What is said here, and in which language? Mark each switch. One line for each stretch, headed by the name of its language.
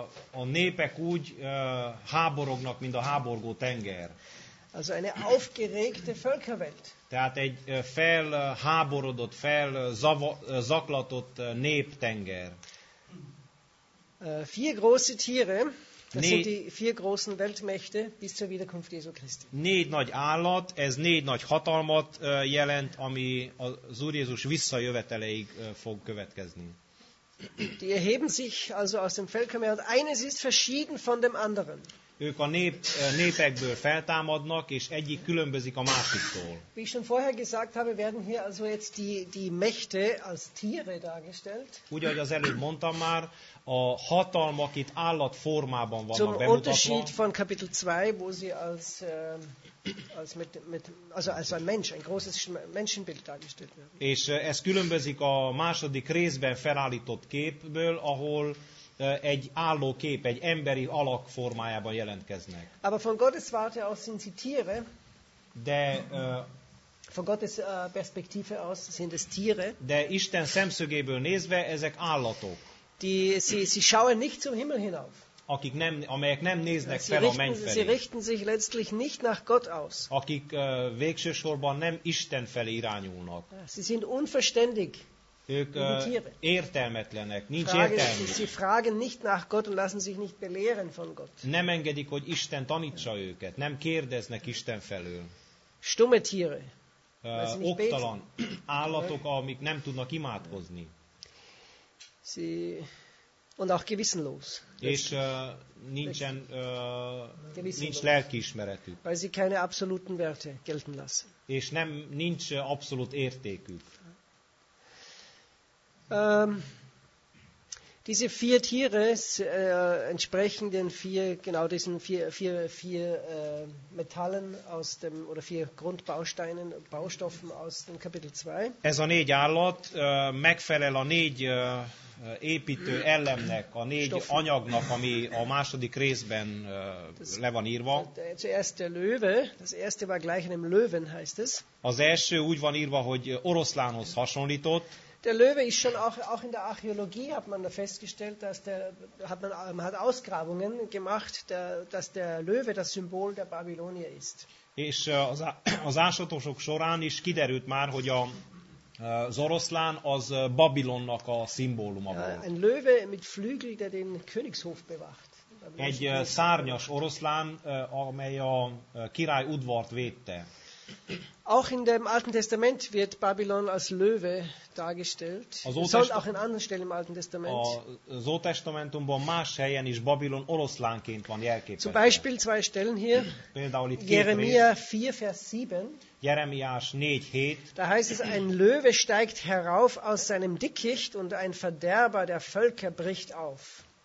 Hungarian: A népek úgy háborognak, mint a háborgó tenger.
German: Also eine aufgeregte Völkerwelt.
Hungarian: Tehát egy felháborodott, felzaklatott néptenger.
German: Vier große Tiere, das sind die vier großen Weltmächte bis zur Wiederkunft Jesu Christi.
Hungarian: Négy nagy állat, ez négy nagy hatalmat jelent, ami az Úr Jézus visszajöveteleig fog következni.
German: Die erheben sich also aus dem Völkermeer und eines ist verschieden von dem anderen.
Hungarian: Ők a népekből feltámadnak, és egyik különbözik a másiktól.
German: Wie ich schon vorher gesagt habe, werden hier also jetzt die Mächte als Tiere dargestellt.
Hungarian: Úgy, ahogy az előbb mondtam már, a hatalmak itt állatformában vannak
German: zum
Hungarian: bemutatva.
German: Zum Unterschied von Kapitel 2, wo sie als ein Mensch, ein großes Menschenbild dargestellt werden.
Hungarian: És ez különbözik a második részben felállított képből, ahol egy álló kép, egy emberi alak formájában jelentkeznek.
German: Aber von Gottes Warte aus sind sie Tiere.
Hungarian: De
German: von Gottes Perspektive aus sind es Tiere.
Hungarian: De Isten szemszögéből nézve ezek állatok.
German: Sie schauen nicht zum Himmel hinauf.
Hungarian: Akik nem, amelyek nem néznek fel a menny felé.
German: Sie richten sich letztlich nicht nach Gott aus.
Hungarian: Akik végső sorban nem Isten felé irányulnak.
German: Sie sind unverständig.
Hungarian: Ők értelmetlenek, nincs értelmük.
German: Sie fragen nicht nach Gott und lassen sich nicht belehren von Gott.
Hungarian: Nem engedik, hogy Isten tanítsa őket, nem kérdeznek Isten felől.
German: Stumme Tiere.
Hungarian: Oktalan állatok, amik nem tudnak imádkozni.
German: Und auch gewissenlos.
Hungarian: És nincsen nincs lelkiismeretük.
German: Weil sie keine absoluten Werte gelten lassen.
Hungarian: És nem nincs abszolút értékük.
German: Diese vier Tiere entsprechen den vier, genau diesen vier Metallen aus dem, oder vier Grundbausteinen, Baustoffen aus dem Kapitel 2.
Hungarian: Ez a négy állat megfelel a négy építő elemnek, a négy Stoffen. Anyagnak, ami a második részben le van írva.
German: Zuerst der Löwe, das erste war gleich einem Löwen, heißt es.
Hungarian: Az első úgy van írva, hogy oroszlánhoz hasonlított.
German: Der Löwe ist schon auch in der Archäologie hat man da festgestellt, dass der hat Ausgrabungen gemacht, dass der Löwe das Symbol der Babylonier ist.
Hungarian: És az ásatósok során is kiderült már, hogy az oroszlán az Babilonnak a szimbóluma volt.
German: Ein Löwe mit Flügel, der den Königshof bewacht.
Hungarian: Egy szárnyas oroszlán, amely a király udvart védte.
German: Auch in dem Alten Testament wird Babylon als Löwe dargestellt. Sondern auch in anderen Stellen im Alten Testament.
Hungarian: Az Ótestamentumban más helyen is Babylon oroszlánként van jelképezve.
German: Zum Beispiel zwei Stellen hier.
Hungarian: Például itt
German: Jeremia 4, Vers 7.
Hungarian: Jeremiás 4:7.
German: Da heißt es: ein Löwe steigt herauf aus seinem Dickicht und ein Verderber der Völker bricht auf.